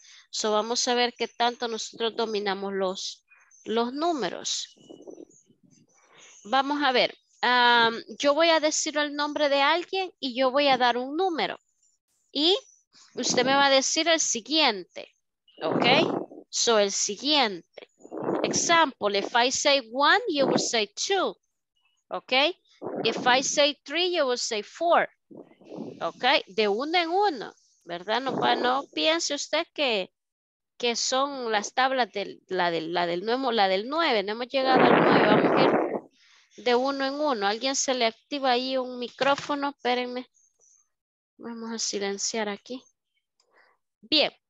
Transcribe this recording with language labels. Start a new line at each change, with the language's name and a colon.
Spanish: So vamos a ver qué tanto nosotros dominamos los números. Vamos a ver. Yo voy a decir el nombre de alguien y yo voy a dar un número. Y usted me va a decir el siguiente. ¿Ok? So el siguiente.
English: example, if I say one, you will say two. Okay? If I say three, you will say four.
Spanish: Okay? De uno en uno. ¿Verdad? No, no piense usted que son las tablas de la del nueve. No hemos llegado al nueve. Vamos a ir de uno en uno. ¿Alguien se le activa ahí un micrófono? Espérenme. Vamos a silenciar aquí. Bien.